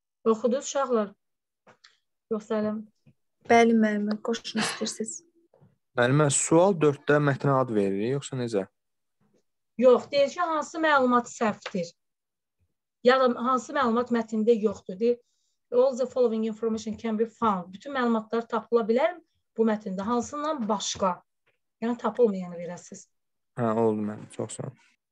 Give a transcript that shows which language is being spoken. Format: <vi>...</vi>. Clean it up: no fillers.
<az>Oxudu uşaqlar. Yoxsəlim. Bəli, müəllimə, qoşun istəyirsiniz. Müəllimə, sual 4-də mətnə ad verir, yoxsa necə? Yox, deyir ki, hansı məlumat səhvdir? Ya da hansı məlumat mətnində yoxdur? Deyir,</az> <en>all the following information can be found.</en> <az>Bütün məlumatlar tapıla bilər bu mətnində. Hansından başqa? Yəni, tapılmayanı verəsiz. Hə, oldu mənim, çox sağ olun.</az>